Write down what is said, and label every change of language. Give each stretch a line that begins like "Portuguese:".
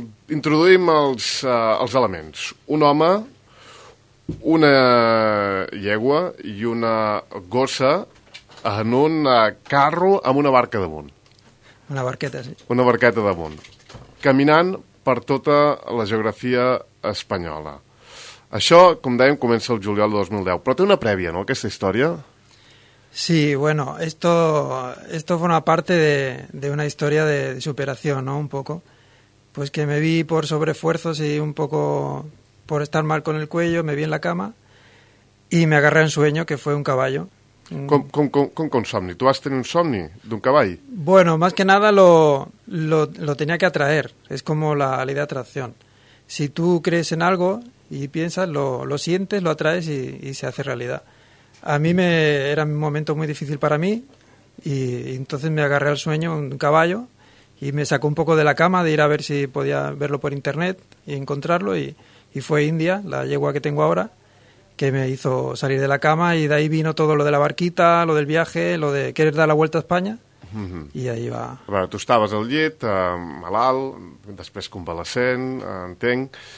Catalan: Introduïm els elements. Un home, una llegua i una gossa en un carro amb una barca damunt. Una barqueta, sí. Una barqueta damunt. Caminant per tota la geografia espanyola. Això, com dèiem, comença el juliol de 2010. Però té una prèvia, no, aquesta història?
Spanish: Sí, bueno, esto forma parte de una historia de superación, ¿no? Un poco. Pues que me vi por sobreesfuerzos y un poco por estar mal con el cuello, me vi en la cama y me agarré un sueño, que fue un caballo. ¿Con somni? ¿Tú has tenido un somni de un caballo? Bueno, más que nada lo tenía que atraer, es como la ley de atracción. Si tú crees en algo y piensas, lo sientes, lo atraes y se hace realidad. A mí era un momento muy difícil para mí y entonces me agarré al sueño un caballo y me sacó un poco de la cama de ir a ver si podía verlo por internet y encontrarlo y fue India, la yegua que tengo ahora, que me hizo salir de la cama y de ahí vino todo lo de la barquita, lo del viaje, lo de querer dar la vuelta a España.
Catalan: Uh-huh. I ahí va. A veure, tu estaves al llit, malalt, després convalescent, entenc.